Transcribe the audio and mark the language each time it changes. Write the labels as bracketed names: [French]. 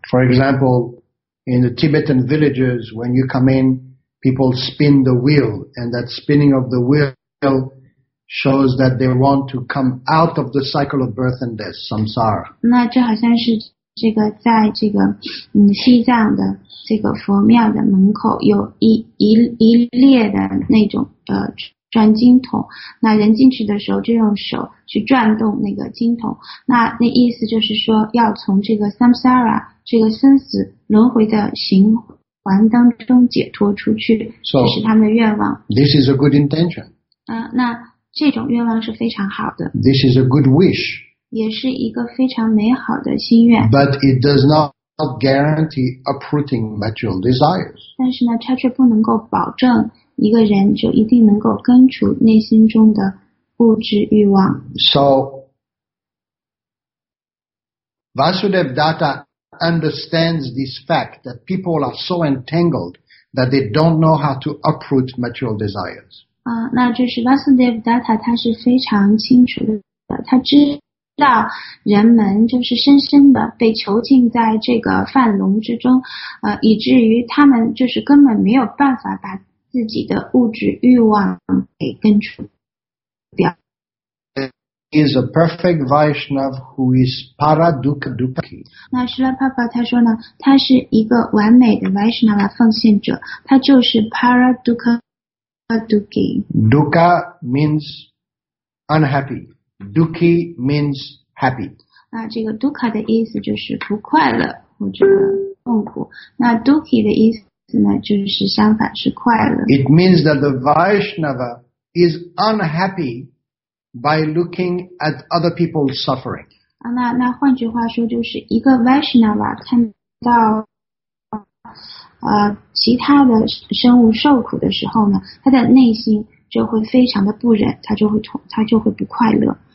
[English] For example, in the Tibetan villages, when you come in, people spin the wheel, and that spinning of the wheel shows that they want to come out of the cycle of birth and death, samsara. [Chinese] 那这好像是这个在这个西藏的这个佛庙的门口有一列的那种转经筒，那人进去的时候就用手去转动那个经筒，那意思就是说要从这个 samsara 这个生死轮回的循环当中解脱出去，这是他们的愿望。 [English] This is a good intention. [Chinese] 那这种愿望是非常好的。 [English] This is a good wish. [Chinese] 也是一个非常美好的心愿。 [English] But it does not guarantee uprooting material desires. [Chinese] 但是呢，它却不能够保证一个人就一定能够根除内心中的物质欲望。 [English] So, Vasudev Datta understands this fact that people are so entangled that they don't know how to uproot material desires. [Chinese] 那就是 Vasudev Datta 他是非常清楚的，他知道人们就是深深的被囚禁在这个樊笼之中，以至于他们就是根本没有办法把自己的物质欲望给根除掉。 [English] Is a perfect Vaishnav who is paradukaduki. [Chinese] 那释迦牟尼佛他说呢，他是一个完美的 Vaishnava 奉献者，他就是 paradukaduki. [English] Dukkha means unhappy. Dukki means happy. [Chinese] 那这个 dukkha 的意思就是不快乐或者痛苦。那 dukki 的意思就是相反，是快乐。 [English] It means that the Vaishnava is unhappy by looking at other people's suffering. [Chinese] 那换句话说，就是一个 Vaishnava 看到其他的生物受苦的时候呢，他的内心就会非常的不忍，他就会不快乐。